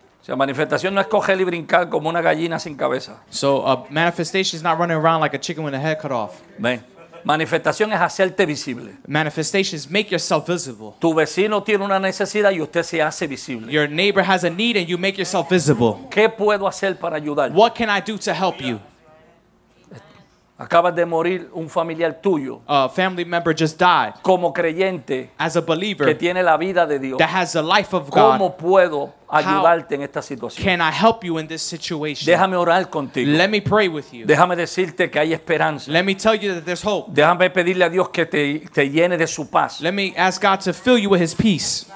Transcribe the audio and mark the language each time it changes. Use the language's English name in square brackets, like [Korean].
[Spanish] O sea, manifestación no es coger y brincar como una gallina sin cabeza. [English] So manifestation is not running around like a chicken with a head cut off. [Spanish] Ven. Manifestación es hacerte visible. [English] Manifestation is make yourself visible. [Spanish] Tu vecino tiene una necesidad y usted se hace visible. [English] Your neighbor has a need and you make yourself visible. [Spanish] ¿Qué puedo hacer para ayudar? [English] What can I do to help you? [Spanish] Acabas de morir un familiar tuyo. [English] A family member just died. [Spanish] Como creyente. [English] As a believer. [Spanish] Que tiene la vida de Dios. [English] That has the life of God. [Spanish] ¿Cómo puedo ayudarte en esta situación? [English] Can I help you in this situation? [Spanish] Déjame orar contigo. [English] Let me pray with you. [Spanish] Déjame decirte que hay esperanza. [English] Let me tell you that there's hope. [Spanish] Déjame pedirle a Dios que te llene de su paz. [English] Let me ask God to fill you with his peace.